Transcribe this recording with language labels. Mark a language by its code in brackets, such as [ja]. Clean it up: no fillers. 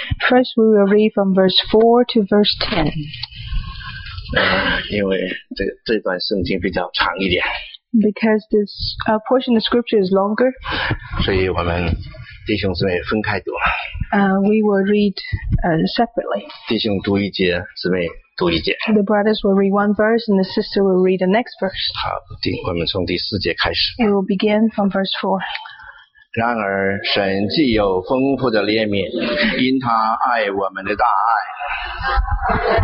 [en] First, we will read from verse 4 to verse 10. [zh] 因为这段圣经比较长一点。 [en] Because this portion of scripture is longer. [zh] 所以我们弟兄姊妹分开读。 [en] We will read separately. [zh] 弟兄读一节，姊妹读一节。 [en] The brothers will read one verse and the sister will read the next verse. [zh] 好，我们从第四节开始。 [en] We will begin from verse 4. [zh] 然而神既有丰富的怜悯，因他爱我们的大爱。